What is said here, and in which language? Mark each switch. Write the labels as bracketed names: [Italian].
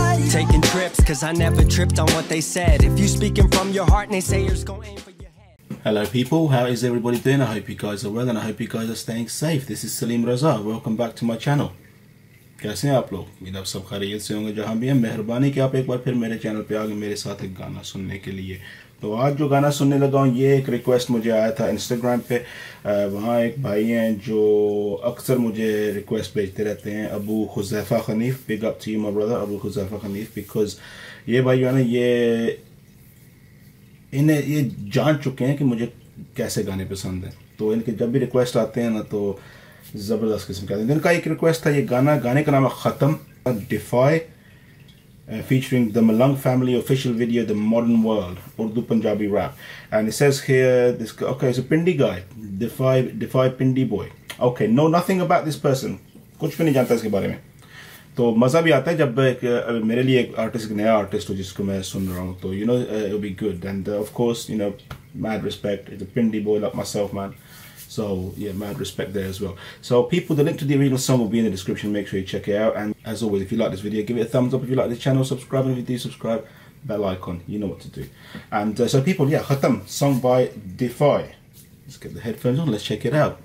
[English] taking trips because I never tripped on what they said. If you speaking from your heart and they say you're going aim for your head. Hello people, how is everybody doing? I hope you guys are well and I hope you guys are staying safe. This is Salim Raza, welcome back to my channel. [Hindi] कैसे हैं आप लोग? उम्मीद है आप सब खैरियत से होंगे जहाँ भी हैं। मेहरबानी कि आप एक बार फिर मेरे चैनल पे आ गए मेरे साथ एक गाना सुनने के लिए। तो आज जो गाना सुनने लगा हूँ ये एक रिक्वेस्ट मुझे आया था इंस्टाग्राम पे। वहाँ एक भाई हैं जो अक्सर मुझे रिक्वेस्ट भेजते रहते हैं, Abu खुज़ैफ़ा खनीफ़, [English] big up to you my brother [Hindi] Abu खुज़ैफ़ा खनीफ़। Because ये भाई ना ये जान चुके हैं कि मुझे कैसे गाने पसंद हैं, तो इनके जब भी रिक्वेस्ट आते हैं ना तो ज़बरदस्त किस्म के। इनका एक रिक्वेस्ट था, ये गाना, गाने का नाम है ख़तम, DeFi featuring the Malang family official video the modern world Urdu Punjabi rap. [English] And it says here this okay it's a Pindi guy, defy Pindi boy. Okay no nothing about this person, [Hindi] कुछ भी नहीं जानता इसके बारे में। तो मज़ा भी आता है जब एक मेरे लिए एक आर्टिस्ट, एक नया आर्टिस्ट हो जिसको मैं सुन रहा हूँ, तो [English] You know it will be good. And of course you know mad respect it's a Pindi boy like myself man. So yeah, mad respect there as well. So people, the link to the original song will be in the description. Make sure you check it out. And as always, if you like this video, give it a thumbs up. If you like this channel, subscribe. And if you do subscribe, bell icon, you know what to do. And so people, yeah, Khatam, song by Defy. Let's get the headphones on, let's check it out.